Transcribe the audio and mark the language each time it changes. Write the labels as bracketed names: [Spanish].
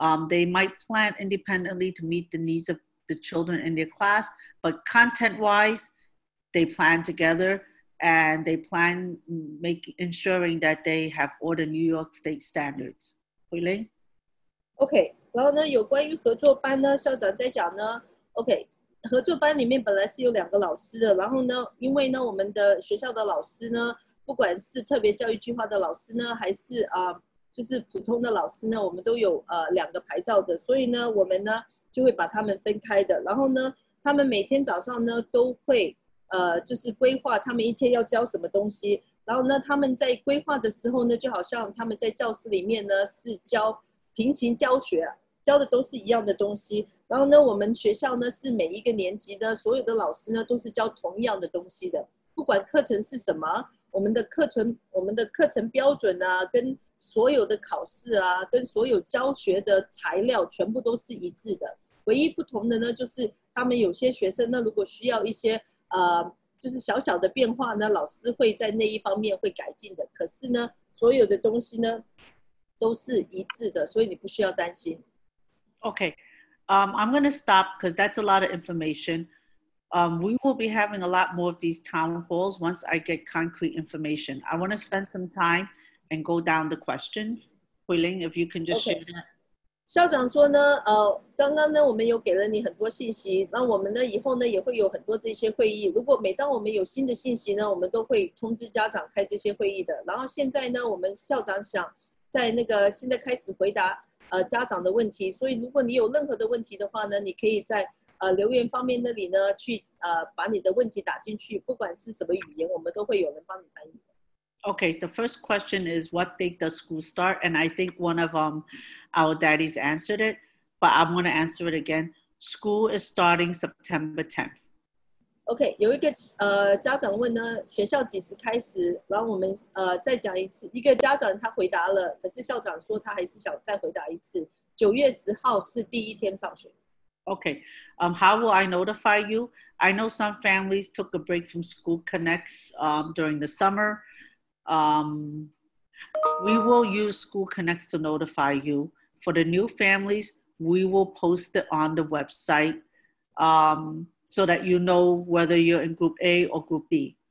[English] They might plan independently to meet the needs of the children in their class, but content-wise, they plan together and they plan ensuring that they have all the New York State standards. Hui Ling? [Chinese] Okay, 然后呢，有关于合作班呢，校长在讲呢。 Okay, 合作班里面本来是有两个老师的，然后呢，因为呢，我们的学校的老师呢，不管是特别教育计划的老师呢，还是就是普通的老师呢，我们都有两个牌照的，所以呢，我们呢就会把他们分开的。然后呢，他们每天早上呢都会就是规划他们一天要教什么东西。然后呢，他们在规划的时候呢，就好像他们在教室里面呢是教平行教学，教的都是一样的东西。然后呢，我们学校呢是每一个年级的所有的老师呢都是教同样的东西的，不管课程是什么。我们的课程标准啊，跟所有的考试啊，跟所有教学的材料全部都是一致的。唯一不同的呢，就是他们有些学生呢，如果需要一些就是小小的变化呢，老师会在那一方面会改进的。可是呢，所有的东西呢都是一致的，所以你不需要担心。 [English] Okay, I'm gonna stop because that's a lot of information. We will be having a lot more of these town halls once I get concrete information. I want to spend some time and go down the questions. Hui Ling, if you can just share that. [Chinese] 校长说呢，刚刚呢，我们有给了你很多信息，那我们呢，以后呢，也会有很多这些会议。如果每当我们有新的信息呢，我们都会通知家长开这些会议的。然后现在呢，我们校长想在那个现在开始回答家长的问题。所以如果你有任何的问题的话呢，你可以在留言方面那里呢去把你的问题打进去，不管是什么语言，我们都会有人帮你翻译。 [English] Okay, the first question is what date does school start? And I think one of our daddies answered it, but I'm going to answer it again. School is starting September 10th. [Chinese] Okay, 有一个家长问呢，学校几时开始？然后我们再讲一次。一个家长他回答了，可是校长说他还是想再回答一次。九月十号是第一天上学。 [English] Okay, how will I notify you? I know some families took a break from school connects during the summer. We will use School Connects to notify you. For the new families, we will post it on the website so that you know whether you're in group A or group B.